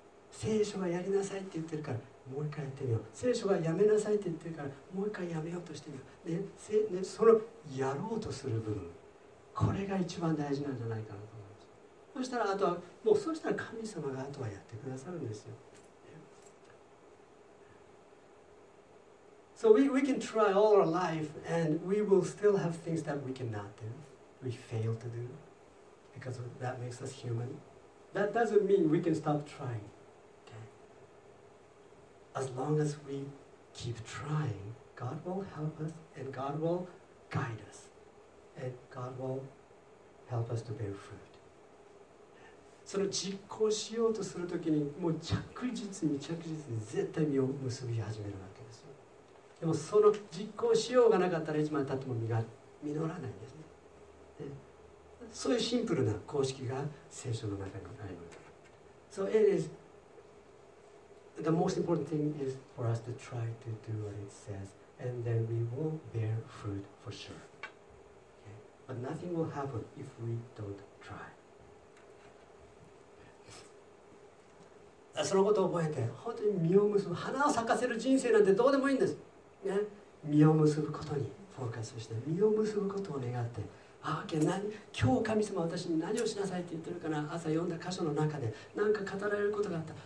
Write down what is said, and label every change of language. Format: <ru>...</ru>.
<ja>聖書がやりなさいって言ってるからもう一回やってみよう。聖書がやめなさいって言ってるからもう一回やめようとしてみよう。で、そのやろうとする部分、これが一番大事なんじゃないかな。そしたらあとはもう、そしたら神様があとはやってくださるんですよ。</ja> <en>So we can try all our life and we will still have things that we cannot do, we fail to do, because that makes us human. That doesn't mean we can stop trying. Okay? As long as we keep trying, God will help us and God will guide us. And God will help us to bear fruit.</en> <ja>その実行しようとするときに、もう着実に着実に絶対実を結び始めるわけですよ。でもその実行しようがなかったら、いつまでたっても実らないんですね。そういうシンプルな公式が聖書の中にあります。</ja> <en>So it is, the most important thing is for us to try to do what it says, and then we will bear fruit for sure. But nothing will happen if we don't try.</en> <ja>そのことを覚えて、本当に実を結ぶ、花を咲かせる人生なんてどうでもいいんです。ね、実を結ぶことにフォーカスして、実を結ぶことを願って、今日神様私に何をしなさいって言ってるかな、朝読んだ箇所の中で何か語られることがあった。</ja>